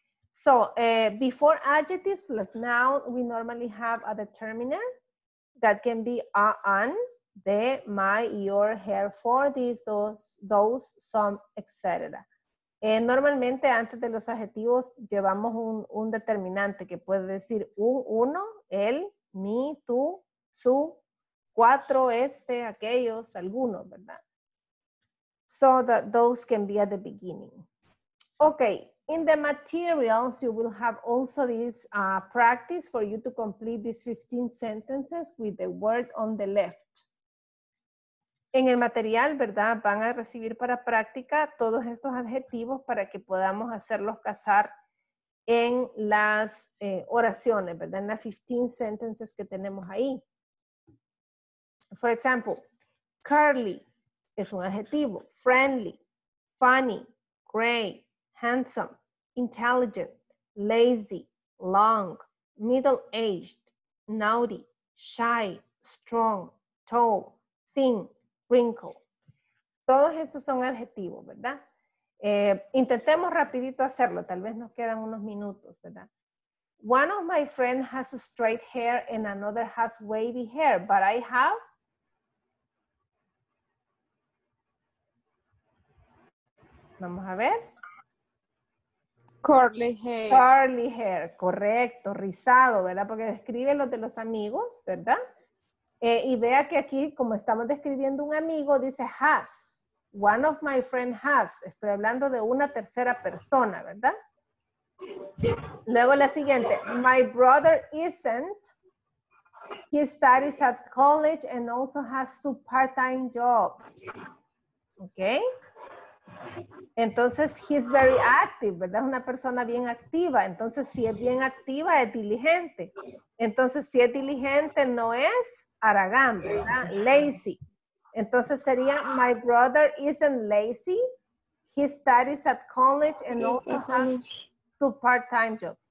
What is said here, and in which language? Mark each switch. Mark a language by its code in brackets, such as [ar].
[en] So, before adjective plus noun, we normally have a determiner that can be an, de, my, your, hair, for, these, those, some, etc. [es] Normalmente antes de los adjetivos llevamos un determinante que puede decir uno, él, mi, tú, su, cuatro, este, aquellos, algunos, ¿verdad? [en] So that those can be at the beginning. Okay, in the materials you will have also this practice for you to complete these 15 sentences with the word on the left. [es] En el material, ¿verdad? Van a recibir para práctica todos estos adjetivos para que podamos hacerlos casar en las oraciones, ¿verdad? En las 15 sentences que tenemos ahí. [en] For example, curly [es] es un adjetivo, [en] friendly, funny, gray, handsome, intelligent, lazy, long, middle-aged, naughty, shy, strong, tall, thin, wrinkle. [es] Todos estos son adjetivos, ¿verdad? Intentemos rapidito hacerlo, tal vez nos quedan unos minutos, ¿verdad? [en] One of my friends has straight hair and another has wavy hair, but I have... Curly. [es] Vamos a ver. [en] Curly hair. Curly hair, [es] correcto, rizado, ¿verdad? Porque describe lo de los amigos, ¿verdad? Y vea que aquí, como estamos describiendo un amigo, dice has. [en] One of my friend has. [es] Estoy hablando de una tercera persona, ¿verdad? Luego la siguiente. [en] My brother isn't. He studies at college and also has 2 part-time jobs. [es] ¿Ok? Entonces, [en] he's very active, [es] ¿verdad? Es una persona bien activa. Entonces, si es bien activa, es diligente. Entonces, si es diligente, no es haragán, ¿verdad? [en] Lazy. [es] Entonces sería, [en] my brother isn't lazy. He studies at college and also has 2 part-time jobs.